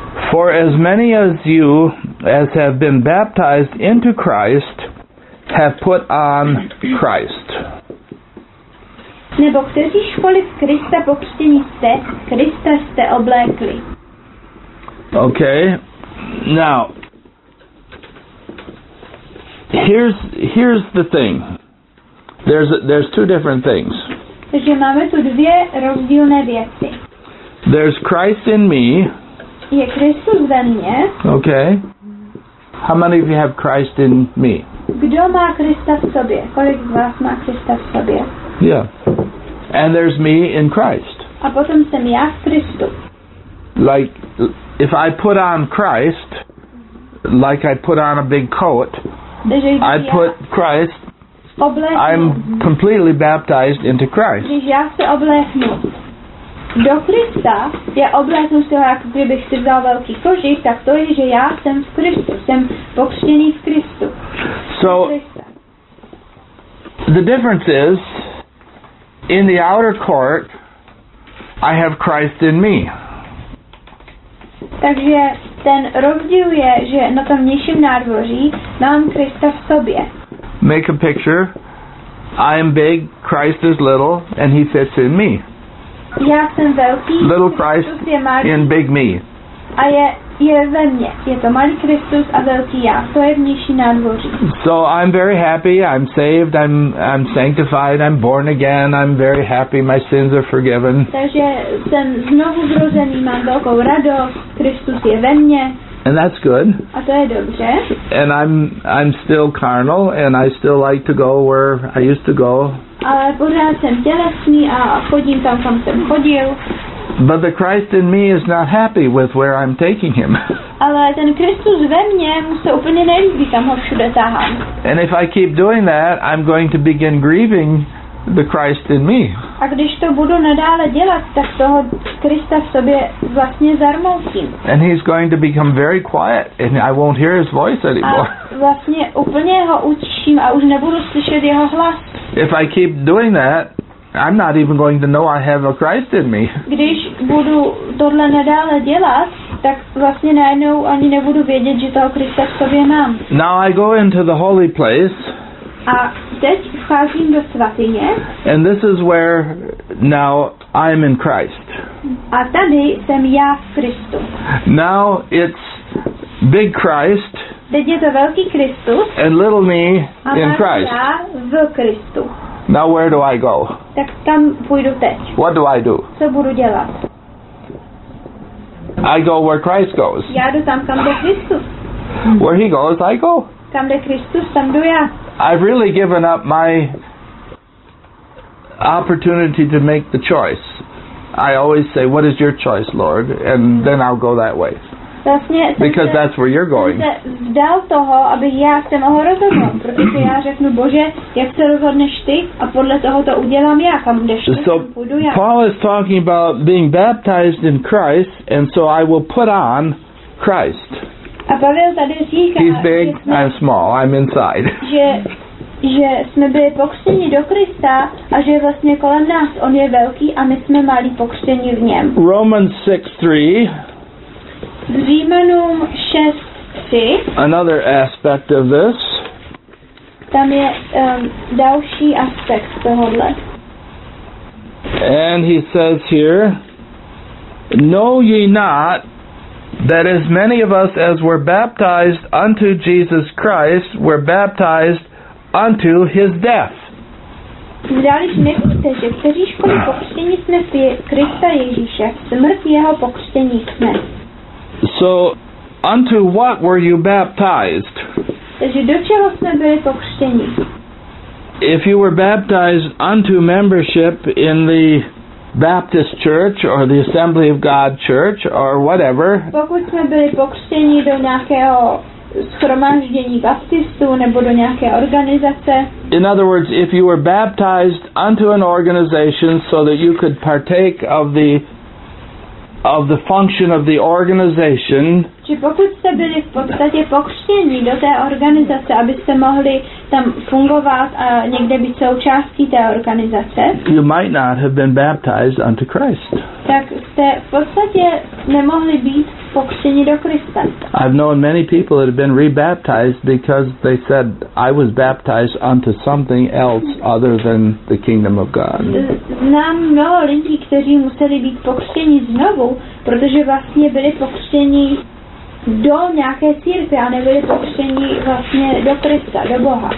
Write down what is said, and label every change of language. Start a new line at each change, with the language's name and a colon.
English: For as many as you as have been baptized into Christ have put on Christ.
Czech: Nebo kteříškoliv Krista pokřtění jste, Krista jste oblékli.
English: Okay. Now, here's the thing. There's two different things.
Czech: Takže máme tu dvě rozdílné věci.
English: There's Christ in me.
Czech: Je Kristus ve mně.
English: Okay. How many of you have Christ in me?
Czech: Kdo má Krista v sobě? Kolik z vás má Krista v sobě?
English: Yeah. And there's me in Christ.
Czech: A potom jsem já v Kristu.
English: Like, if I put on Christ, like I put on a big coat, I put Christ, I'm completely baptized into Christ.
Czech: Když já se obléknu do Krista, já obléknu se, jak kdybych si vzal velký kožich, tak to je, že já jsem v Kristu, jsem pokřtěný v Kristu.
English: So, the difference is, in the outer court, I have Christ in me.
Czech: Takže ten rozdíl je, že na tom vnějším nádvoří mám Krista v sobě.
English: Make a picture. I am big, Christ is little, and he fits in me.
Czech: Já jsem velký,
English: little Christ
Czech: je malý,
English: in big me.
Czech: A je ve mně. Je to malý Kristus a velký já. To je vnější nádvoří.
English: So I'm very happy, I'm saved, I'm sanctified, I'm born again, I'm very happy, my sins are forgiven.
Czech: Takže jsem znovu zrozený, mám velkou radost, Kristus je ve mně.
English: And that's good.
Czech: A to je dobře.
English: And I'm still carnal and I still like to go where I used to go.
Czech: Ale pořád jsem tělesný a chodím tam, kam jsem chodil.
English: But the Christ in me is not happy with where I'm taking him.
Czech: Ale ten Kristus ve mně mu se úplně nelíbí, kam ho všude tahám.
English: And if I keep doing that, I'm going to begin grieving the Christ in me.
Czech: A když to budu nadále dělat, tak toho Krista v sobě vlastně zarmoutím.
English: And he's going to become very quiet and I won't hear his voice anymore.
Czech: A vlastně úplně ho utiším a už nebudu slyšet jeho hlas.
English: If I keep doing that, I'm not even going to know I have a Christ in me.
Czech: Když budu tohle nadále dělat, tak vlastně najednou ani nebudu vědět, že toho Krista v sobě mám.
English: Now I go into the holy place.
Czech: A teď vcházím do svatyně.
English: And this is where now I'm in Christ.
Czech: A tady jsem já v Kristu.
English: Now it's big Christ.
Czech: Teď je to velký Kristus.
English: And little me in Christ.
Czech: A já v Kristu.
English: Now where do I go?
Czech: Tak tam půjdu teď.
English: What do I do?
Czech: Co budu dělat?
English: I go where Christ goes.
Czech: Já jdu tam, kam jde Kristus.
English: Where he goes, I go.
Czech: Kam jde Kristus, tam jdu já.
English: I've really given up my opportunity to make the choice. I always say, what is your choice, Lord? And then I'll go that way.
Czech: Vlastně,
English: because that's where you're going.
Czech: Vzdal toho, abych já se mohl rozhodnout, protože já řeknu, Bože, jak se rozhodneš ty a podle toho to udělám já, kam jdeš ty,
English: so
Czech: půjdu já.
English: Paul is talking about being baptized in Christ and so I will put on Christ.
Czech: A Pavel tady říká,
English: he's big, I'm small, I'm inside.
Czech: Že jsme byli pokřtěni do Krista a že vlastně kolem nás on je velký a my jsme malí pokřtěni v něm.
English: Romans 6:3.
Czech: Římanům 6:3.
English: Another aspect of this.
Czech: Tam je další aspekt tohohle.
English: And he says here, know ye not that as many of us as were baptized unto Jesus Christ were baptized unto his death.
Czech: Zdáliš nevíte, že kteříškoliv pokřtění jsme v Krista Ježíše, smrt jeho pokřtění jsme.
English: So, unto what were you baptized?
Czech: Takže do čeho jsme byli pokřtění?
English: If you were baptized unto membership in the Baptist Church or the Assembly of God Church or whatever.
Czech: Pokud jsme byli pokřtěni do nějakého shromáždění baptistů nebo do nějaké organizace.
English: In other words, if you were baptized unto an organization so that you could partake of the function of the organization.
Czech: Či pokud jste byli v podstatě pokřtěni do té organizace, abyste mohli tam fungovat a někde být součástí té organizace.
English: You might not have been baptized unto Christ.
Czech: Tak jste v podstatě nemohli být pokřtěni do Krista.
English: I've known many people that have been rebaptized because they said I was baptized unto something else other than the kingdom of God.
Czech: Znám mnoho lidí, kteří museli být pokřtěni znovu, protože vlastně byli pokřtěni do nějaké církve a nebyli pokřtěni vlastně do Krista, do Boha.